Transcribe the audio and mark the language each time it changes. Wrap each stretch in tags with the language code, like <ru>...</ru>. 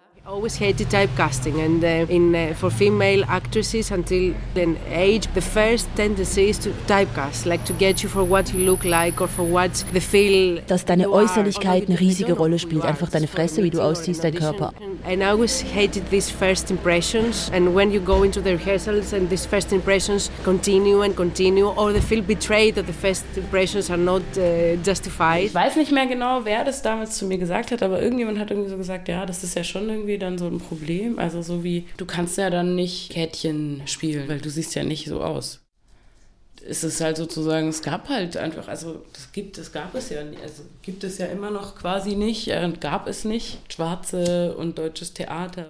<en>I always hated typecasting, and for female actresses until an age, the first tendency is to typecast, like to get you for what you look like or for what the feel.</en> <de>Dass deine Äußerlichkeit eine riesige Rolle spielt, einfach deine Fresse, wie du aussiehst, dein Körper.</de> <en>And I always hated these first impressions, and when you go into the rehearsals and these first impressions continue and continue, or they feel betrayed that the first impressions are not justified.</en> <de>Ich weiß nicht mehr genau, wer das damals zu mir gesagt hat, aber irgendjemand hat irgendwie so gesagt, ja, das ist ja schon irgendwie dann so ein Problem, also so wie, du kannst ja dann nicht Kätchen spielen, weil du siehst ja nicht so aus. ist es halt sozusagen, es gab halt einfach, also das gibt es, gab es ja, also gibt es ja immer noch quasi nicht und gab es nicht, schwarze und deutsches Theater.</de>